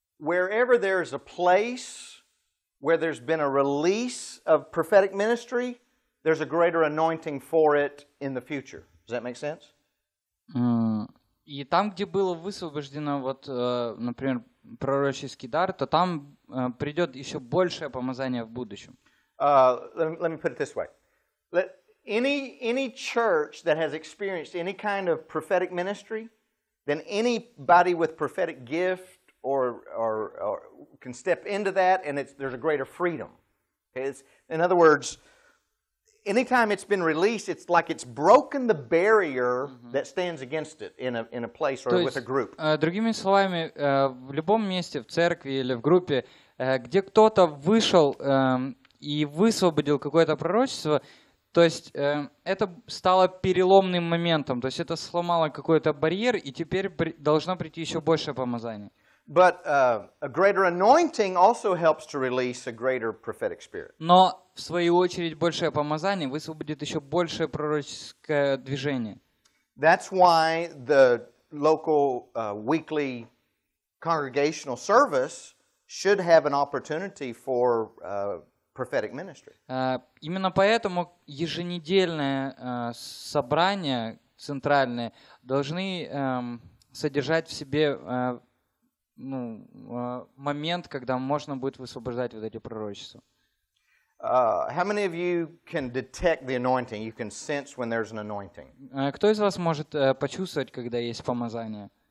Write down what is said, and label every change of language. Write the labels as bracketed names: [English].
[English] wherever there's a place where there's been a release of prophetic ministry, there's a greater anointing for it in the future. Does that make sense? [Russian] И там, где было высвобождено, вот, например, пророческий дар, то там придет еще большее помазание в будущем. [English] Let me put it this way. Any church that has experienced any kind of prophetic ministry, then anybody with prophetic gift or can step into that, and there's a greater freedom. Okay? In other words, anytime it's been released, it's like it's broken the barrier that stands against it in a place or with a group. [Russian] Другими словами, в любом месте, в церкви или в группе, где кто-то вышел и высвободил какое-то пророчество, то есть это стало переломным моментом, то есть это сломало какой-то барьер, и теперь должно прийти еще большее помазание. [English] But a greater anointing also helps to release a greater prophetic spirit. [Russian] Но в свою очередь большее помазание высвободит еще большее пророческое движение. [English] That's why the local weekly congregational service should have an opportunity for prophetic ministry. [Russian] Именно поэтому еженедельное собрание центральное должны содержать в себе момент, когда можно будет высвобождать вот эти пророчества. [English] How many of you can detect the anointing? You can sense when there's an anointing. [Russian] Кто из вас может почувствовать, когда есть помазание?